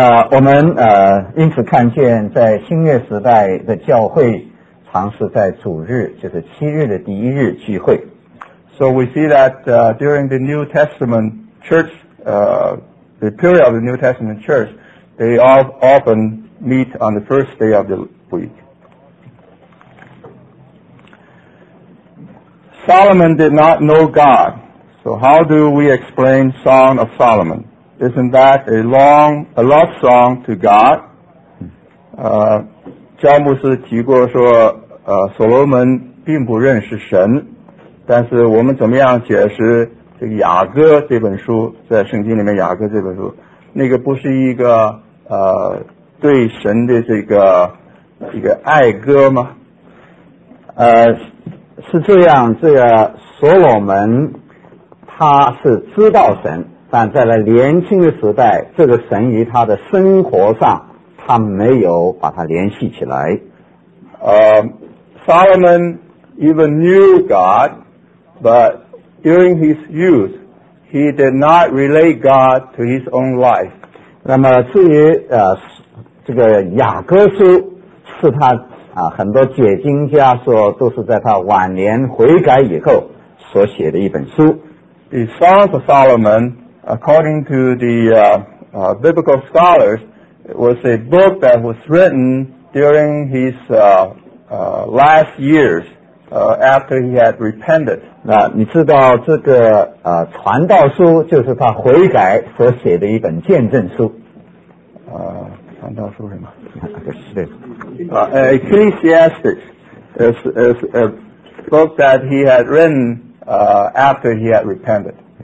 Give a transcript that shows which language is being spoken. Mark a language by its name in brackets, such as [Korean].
[Chinese] 我们因此看见在新约时代的教会常是在主日，就是七日的第一日聚会。 [English] So we see that during the New Testament church, the period of the New Testament church, they all often meet on the first day of the week. Solomon did not know God. So how do we explain Song of Solomon? Isn't that a love song to God? [Chinese] 乔牧师提过说所罗门并不认识神，但是我们怎么样解释这个雅歌这本书，在圣经里面雅歌这本书那个不是一个对神的这个一个爱歌吗？是这样，这个所罗门他是知道神，但在了年轻的时代，这个神与他的生活上他没有把它联系起来。 [English] Solomon even knew God, but during his youth, he did not relate God to his own life. [Chinese] 那么至于这个雅各书是他很多解经家说都是在他晚年悔改以后所写的一本书。 [English] The Songs of Solomon, according to the biblical scholars, was a book that was written during his last years, after he had repented. [Chinese] 那你知道这个传道书就是他悔改所写的一本见证书。传道书什么？对。 [English] Ecclesiastes is a book that he had written after he had repented.